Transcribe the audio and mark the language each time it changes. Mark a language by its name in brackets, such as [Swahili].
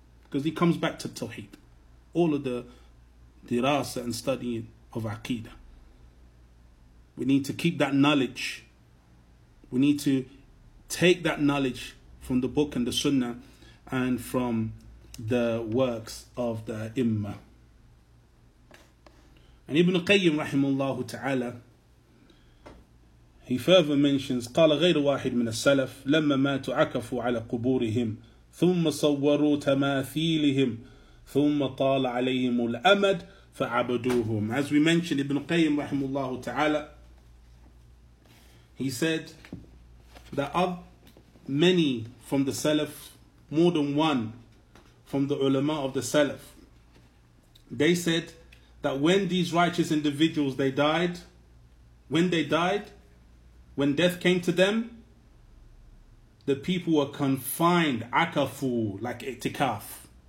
[English] Because He comes back to tawheed, all of the dirasa and studying of aqidah. We need to keep that knowledge. We need to take that knowledge from the book and the sunnah and from the works of the imma. And Ibn Qayyim rahimullahu ta'ala, he further mentions, [Arabic] قَالَ غَيْرُ وَاحِدٍ مِنَ السَّلَفِ لَمَّا مَاتُوا عَكَفُوا عَلَى قُبُورِهِمْ ثُمَّ صَوَّرُوا تَمَاثِيلِهِمْ ثُمَّ طَالَ عَلَيْهِمُ الْأَمَدِ فَعَبَدُوهُمْ. [English] As we mentioned, Ibn Qayyim rahimullah ta'ala, he said that of many from the Salaf, more than one from the ulama of the Salaf, they said that when these righteous individuals, they died, when death came to them, the people were confined, akafu, like itikaf.